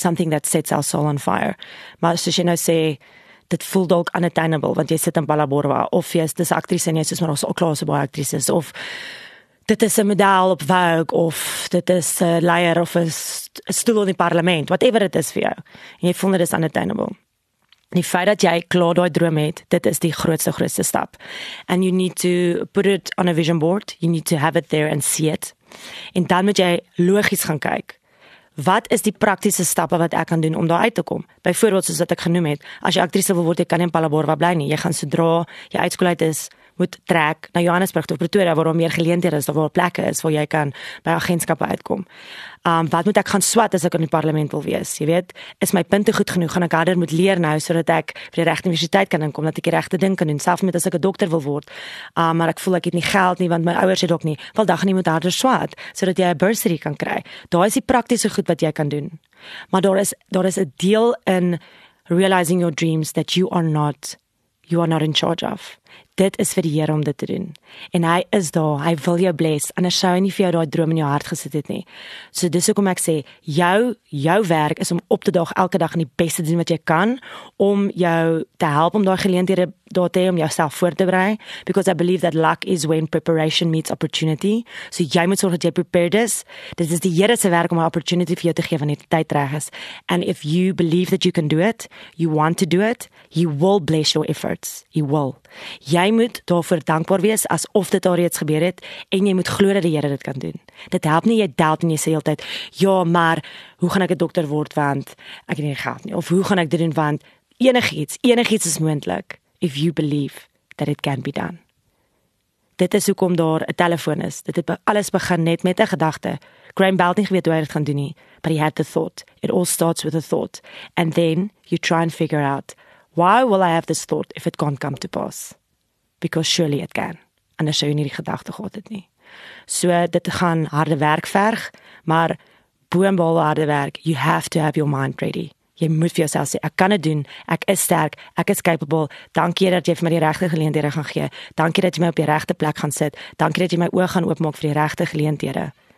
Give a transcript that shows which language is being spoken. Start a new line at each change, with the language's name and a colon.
English: Something that sets our soul on fire.
Afrikaans: Maar soos jy nou sê, dit voel dalk unattainable, want jy sit in Palaborwa, of jy is dis actrice en jy is maar al klaar so baie actrice, of dit is 'n model op Vogue, of dit is 'n leier, of 'n stoel in die parlement, whatever dit is vir jou. En jy voel dit is unattainable. Die feit dat jy klaar daai droom het, dit is die grootste stap.
English: And you need to put it on a vision board, you need to have it there and see it.
Afrikaans: En dan moet jy logies gaan kyk. Wat is die praktiese stappe wat ek kan doen om daar uit te kom? Byvoorbeeld soos wat ek genoem het, as jy aktrise wil word, jy kan nie in Palaborwa bly nie. Jy gaan sodra jy uitskool uit is, moet trek na Johannesburg of Pretoria, waar daar meer geleenthede is, waar plekke is, waar jy kan by agentskappe uitkom. Wat moet ek gaan swat as ek in die parlement wil wees? Jy weet, is my punte goed genoeg? Gaan ek harder moet leer nou, sodat ek vir die regte universiteit kan inkom, dat ek die regte ding kan doen, selfs met as ek 'n dokter wil word. Maar ek voel ek het nie geld nie, want my ouers het ook nie. Wel, dan gaan jy moet harder swat, sodat jy 'n bursary kan kry. Daar is die praktiese goed wat jy kan doen. Maar daar is 'n deel
English: in realizing your dreams that you are not in charge of.
Afrikaans: Dit is vir die Here om dit te doen. En hy is daar, hy wil jou bless, anders sou hy nie vir jou daai droom in jou hart gesit het nie. So dis hoekom ek sê, jou werk is om op te daag elke dag in die beste te doen wat jy kan, om jou te help om daai geleenthede daar te hê, om jouself voor te berei,
English: because I believe that luck is when preparation meets opportunity.
Afrikaans: So jy moet sorg dat jy prepared is. Dit is die Here se werk om 'n opportunity vir jou te gee wanneer die tyd reg is.
English: And if you believe that you can do it, you want to do it, he will bless your efforts. He will.
Afrikaans: Jy moet daarvoor dankbaar wees asof dit al reeds gebeur het en jy moet glo dat die Here dit kan doen. Dit help nie jy doubt en jy sê heeltyd, ja, maar hoe gaan ek 'n dokter word want ek het nie geld nie, of hoe gaan ek dit doen want enigiets is moontlik
English: if you believe that it can be done.
Afrikaans: Dit is hoekom daar 'n telefoon is. Dit het alles begin net met 'n gedagte. Graham Bell nie geweet hoe hy dit gaan doen nie,
English: but he had the thought. It all starts with a thought and then you try and figure out, why will I have this thought if it can't come to pass? Because surely it can.
Afrikaans: And as jy nie die gedagte gehad het nie. So dit gaan harde werk verg, maar boonbehalwe harde werk,
English: you have to have your mind ready.
Afrikaans: Jy moet vir jouself sê, ek kan dit doen, ek is sterk, ek is capable, dankie dat jy vir my die regte geleenthede gaan gee, dankie dat jy my op die regte plek gaan sit, dankie dat jy my oog gaan oopmaak vir die regte geleenthede.